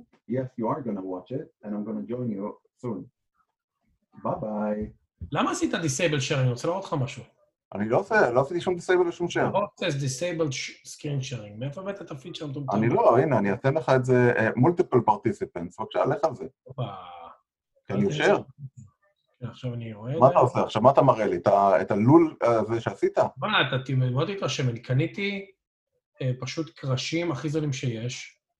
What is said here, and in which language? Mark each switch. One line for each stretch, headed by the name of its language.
English: Yes, you are gonna watch it, and I'm gonna join you soon. Bye-bye.
Hebrew: למה עשית disable share? אני רוצה לראות לך משהו. אני לא עושה, לא עשיתי שום disable לשום share.
English: Process disabled screen sharing.
Hebrew: מאיפה באת את הפיצ'ר? אני לא, הנה, אני אתן לך את זה, multiple participants, בבקשה, לך על זה.
English: Can you share?
Hebrew: עכשיו אני רואה... מה אתה עושה? עכשיו מה אתה מראה לי? את הלול הזה שעשית? מה, אתה תלמוד איתו שמן, קניתי פשוט קרשים הכי זולים שיש.